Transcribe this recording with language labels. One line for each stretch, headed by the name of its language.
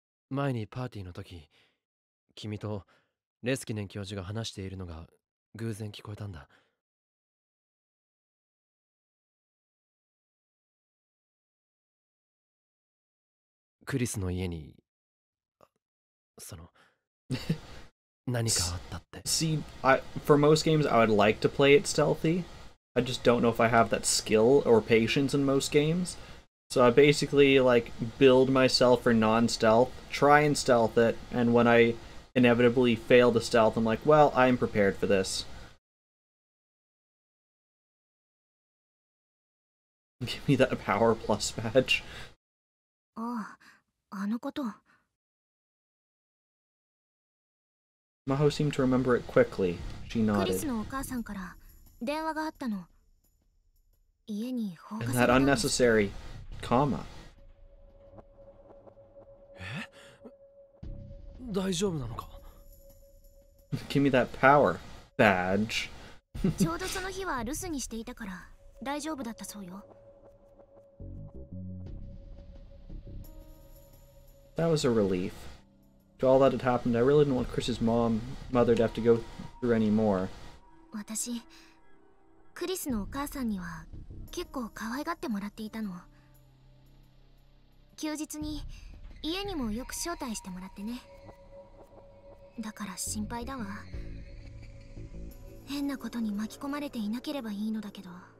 Japanese: 前にパーティーの時、君とレスキネン教授が話しているのが偶然聞こえたんだ。クリスの家に、その、何かあったって。
English: See, for most games, I would like to play it stealthy. I just don't know if I have that skill or patience in most games. So I basically like build myself for non-stealth, try and stealth it, and when I inevitably fail to stealth, I'm like, well, I'm prepared for this. Give me that power plus badge.
Japanese: Ah, あのこと。
English: Maho seemed to remember it quickly. She nodded.
Japanese: クリスのお母さんから電話があったの。家に放火されたの。
English: And that unnecessary. Comma.
Japanese: え？大丈夫なのか？
English: Give me that power badge.
Japanese: ちょうどその日は留守にしていたから大丈夫だったそうよ。
English: That was a relief. To all that had happened, I really didn't want Chris's mother to have to go through any more.
Japanese: 私、クリスのお母さんには結構可愛がってもらっていたの。休日に家にもよく招待してもらってね。だから心配だわ。変なことに巻き込まれていなければいいのだけど。